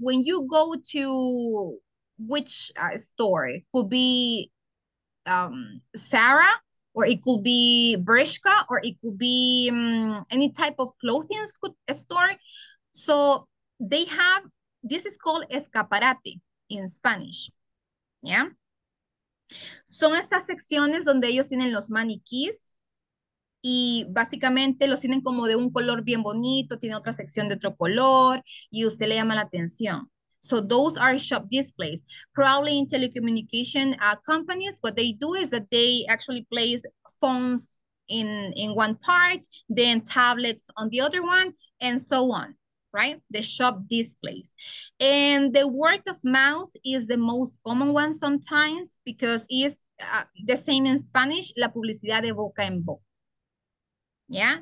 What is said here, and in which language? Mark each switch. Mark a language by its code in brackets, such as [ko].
[en] When you go to which store? It could be Zara, or it could be Bershka, or it could be any type of clothing store. So they have, this is called escaparate in Spanish, yeah? [es] Son estas secciones donde ellos tienen los maniquís y básicamente los tienen como de un color bien bonito, tiene otra sección de otro color y usted le llama la atención. [en] So those are shop displays. Probably in telecommunication companies, what they do is that they actually place phones in one part, then tablets on the other one, and so on. Right? The shop displays. And the word of mouth is the most common one sometimes because it's the same in Spanish, [es] la publicidad de boca en boca. [en] Yeah?